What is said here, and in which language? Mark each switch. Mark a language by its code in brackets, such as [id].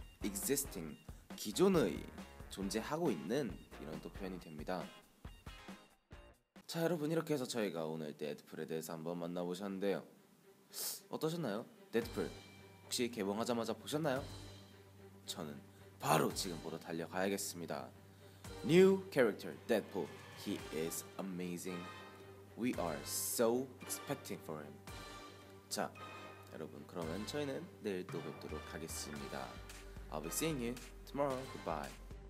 [ko] existing 기존의 존재하고 있는 이런 또 표현이 됩니다. 자, 여러분 이렇게 해서 저희가 오늘 데드풀에 대해서 한번 만나보셨는데요. 어떠셨나요? 데드풀 혹시 개봉하자마자 보셨나요? 저는 바로 지금 보러 달려가야겠습니다. [en] New character Deadpool. He is amazing. We are so expecting for him. [ko] 자, 여러분 그러면 저희는 내일 또 뵙도록 하겠습니다. [en] I'll be seeing you tomorrow. Goodbye.